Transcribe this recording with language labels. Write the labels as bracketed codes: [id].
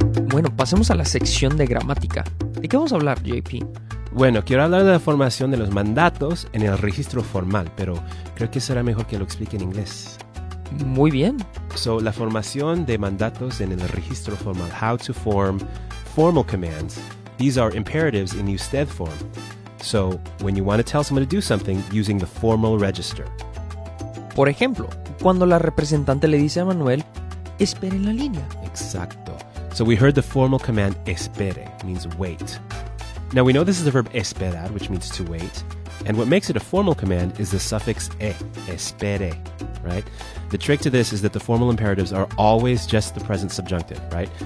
[es] Bueno, pasemos a la sección de gramática. ¿De qué vamos a hablar, JP? Bueno, quiero hablar de la formación de los mandatos en el registro formal, pero creo que será mejor que lo explique en inglés. Muy bien. So, la formación de mandatos en el registro formal. [en] How to form formal commands. These are imperatives in the usted form. So, when you want to tell someone to do something, using the formal register. [es] Por ejemplo, cuando la representante le dice a Manuel, espere en la línea. Exacto. [en] So, we heard the formal command, espere, means wait. Now, we know this is the verb esperar, which means to wait. And what makes it a formal command is the suffix e, espere, right? The trick to this is that the formal imperatives are always just the present subjunctive, right?